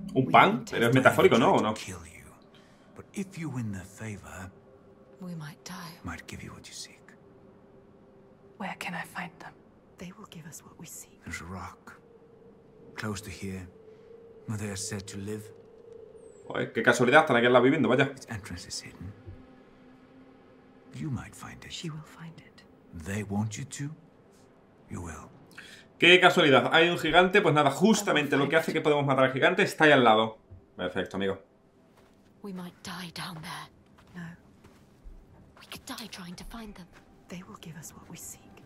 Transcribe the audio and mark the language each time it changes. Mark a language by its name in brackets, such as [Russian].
[Spanish] ¿Un pan? ¿Pero es metafórico, no? ¿O no? [English] But if you win their favor, we might die. Might give you what you seek. Where can I find them? They will give us what we seek. There's a rock. Close to here. Where they are said to live. [Spanish] Oye, qué casualidad, están aquí en la viviendo, vaya. [English] Its entrance is hidden. You might find it. She will find it. They want you to. You will. [Spanish] ¡Qué casualidad! Hay un gigante, pues nada, justamente lo que hace que podemos matar al gigante está ahí al lado. Perfecto, amigo. [English] We might die down there. No. We could die trying to find them. They will give us what we seek.